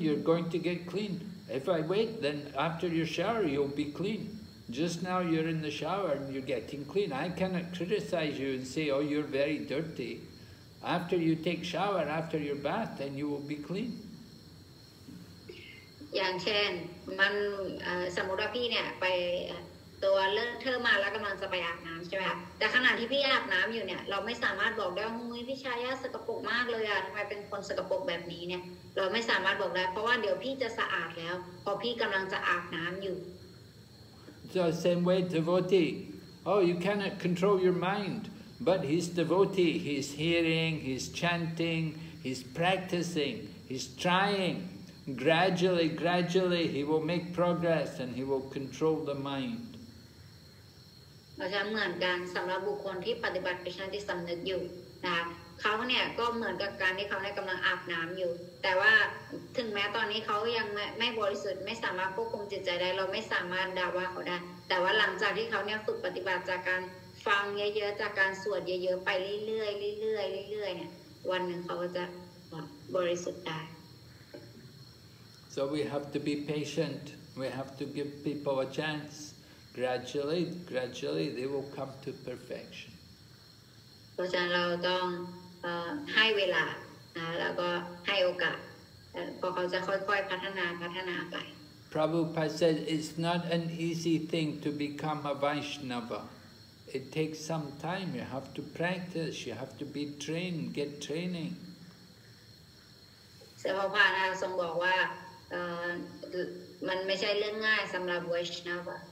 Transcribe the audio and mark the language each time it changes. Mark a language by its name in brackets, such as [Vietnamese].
[English] You're going to get clean. If I wait, then after your shower, you'll be clean. Just now you're in the shower and you're getting clean. I cannot criticize you and say, oh, you're very dirty. After you take shower, after your bath, then you will be clean. [Thai] อย่างเช่นมันสมมุติว่าพี่เนี่ยไปตัวเลิกเธอมาแล้วกำลังจะไปอาบน้ำใช่ไหมคะแต่ขณะที่พี่อาบน้ำอยู่เนี่ยเราไม่สามารถบอกได้ว่าพี่ชายสกปรกมากเลยอ่ะทำไมเป็นคนสกปรกแบบนี้เนี่ยเราไม่สามารถบอกได้เพราะว่าเดี๋ยวพี่จะสะอาดแล้วพอพี่กำลังจะอาบน้ำอยู่ [English] So same way, devotee. Oh, you cannot control your mind, but he's devotee. He's hearing, he's chanting, he's practicing, he's trying. Gradually, gradually, he will make progress and he will control the mind. [Thai] เพราะฉะนั้นเหมือนกันสำหรับบุคคลที่ปฏิบัติเป็นชั้นที่สำนึกอยู่นะเขาเนี่ยก็เหมือนกับการที่เขาได้กำลังอาบน้ำอยู่แต่ว่าถึงแม้ตอนนี้เขายังไม่บริสุทธิ์ไม่สามารถควบคุมจิตใจได้เราไม่สามารถด่าว่าเขาได้แต่ว่าหลังจากที่เขาเนี่ยฝึกปฏิบัติจากการส ฟังเยอะๆจากการสวดเยอะๆไปเรื่อยๆเรื่อยๆเรื่อยๆเนี่ยวันหนึ่งเขาก็จะบริสุทธิ์ได้ [English] So we have to be patient. We have to give people a chance. Gradually, gradually, they will come to perfection. [Thai] เพราะฉะนั้นเราต้องให้เวลานะแล้วก็ให้โอกาสพอเขาจะค่อยๆพัฒนาไป [English] Prabhupada said, it's not an easy thing to become a Vaishnava. It takes some time. You have to practice. You have to be trained, get training. So, Prabhupada said that it's not an easy thing to become a Vaishnava.